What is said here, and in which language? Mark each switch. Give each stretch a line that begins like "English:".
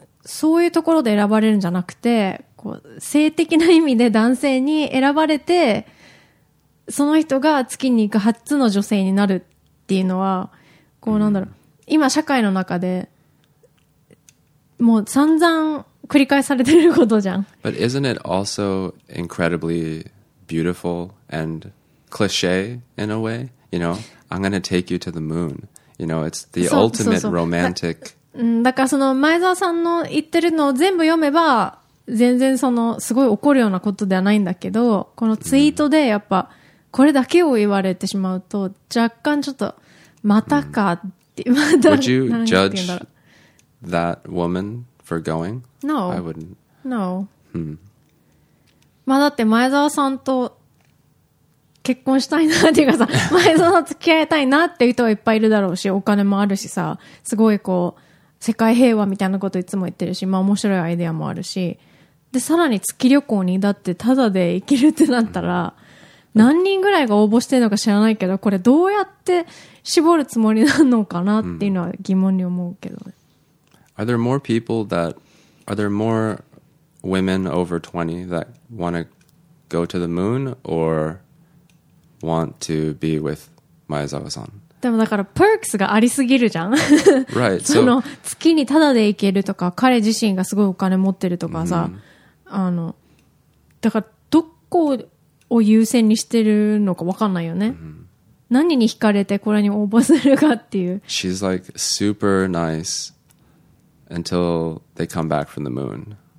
Japanese: そういうところで選ばれるんじゃなくて、こう性的な意味で男性に選ばれて、その人が月に行く初の女性になるっていうのは、こうなんだろう、うん、今社会の中でもう散々繰り返されてることじゃん。
English: But isn't it also incredibly beautiful and cliche in a way? You know, I'm gonna take you to the moon. You know, it's the ultimate romantic
Japanese: だからその前澤さんの言ってるのを全部読めば全然そのすごい怒るようなことではないんだけど、このツイートでやっぱこれだけを言われてしまうと若干ちょっとまたかって、また
English: Would you judge that woman for going? No. I wouldn't. No.
Japanese: まあだって前澤さんと結婚したいなっていうかさ、前澤さん付き合いたいなっていう人はいっぱいいるだろうし、お金もあるしさ、すごいこう世界平和みたいなこといつも言ってるし、まあ面白いアイデアもあるし、でさらに月旅行にだってタダで行けるってなったら、うん、何人ぐらいが応募してるのか知らないけど、これどうやって絞るつもりなのかなっていうのは疑問に思うけどね。うん、
English: are there more people that are there more women over 20 that want to go to the moon or want to be with Maezawa-san?
Japanese: でもだからパークスがありすぎるじゃん。
English: Right.
Japanese: その月にタダで行けるとか、彼自身がすごいお金持ってるとかさ、mm-hmm. あのだからどこを優先にしてるのか分かんないよね。 Mm-hmm. 何に惹かれてこれに応募するかっていう。
English: She's like super nice until they come back from the moon.